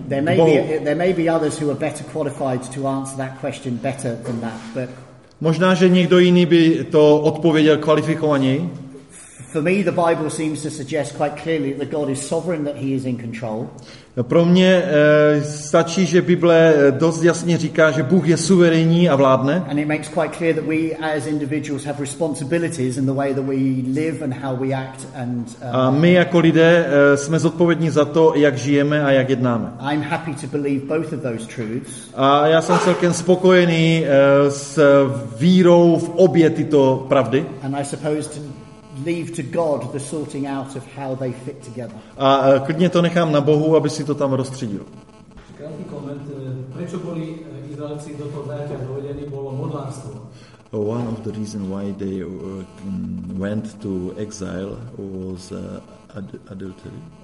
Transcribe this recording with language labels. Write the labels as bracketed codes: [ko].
[en] There may be others who are better qualified to answer that question better than that, but [cs] možná že někdo jiný by to odpověděl kvalifikovaněji. [en] For me, the Bible seems to suggest quite clearly that God is sovereign, that He is in control. [cs] Pro mě stačí, že Bible dost jasně říká, že Bůh je suverénní a vládne. [en] And it makes quite clear that we, as individuals, have responsibilities in the way that we live and how we act. And [cs] a my jako lidé jsme zodpovědní za to, jak žijeme a jak jednáme. [en] I'm happy to believe both of those truths. [cs] A já jsem celkem spokojený s vírou v obě tyto pravdy. [en] And I suppose to leave to God the sorting out of how they fit together. [cs] A klidně to nechám na Bohu, aby si to tam rozstřídil. Krátký koment, proč byli Izraelci do toho dáte dovedení, bylo modlárstvo. [en] One of the reasons why they went to exile was adultery.